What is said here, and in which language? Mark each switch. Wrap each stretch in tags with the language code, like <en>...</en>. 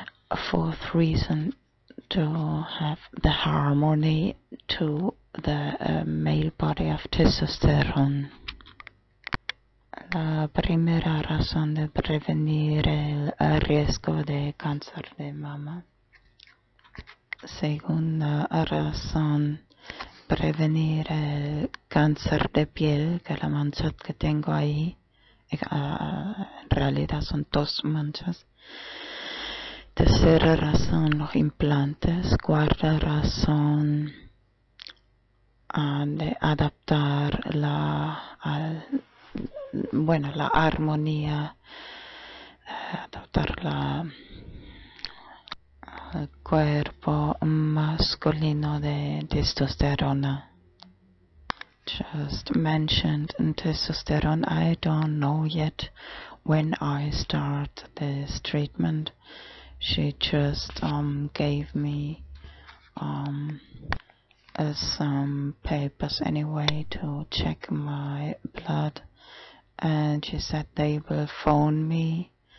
<en>A fourth reason, to have the harmony to the male body of testosterone.</en> <es>La primera razón de prevenir el riesgo de cáncer de mama. Segunda razón, prevenir el cáncer de piel, que la mancha que tengo ahí, en realidad son dos manchas. Tercera razón, los implantes. Cuarta razón, de adaptar la armonía, adaptar la el cuerpo masculino de testosterona.</es> <en>Just mentioned testosterone. I don't know yet when I start this treatment. She just gave me some papers anyway to check my blood, and she said they will phone me.</en>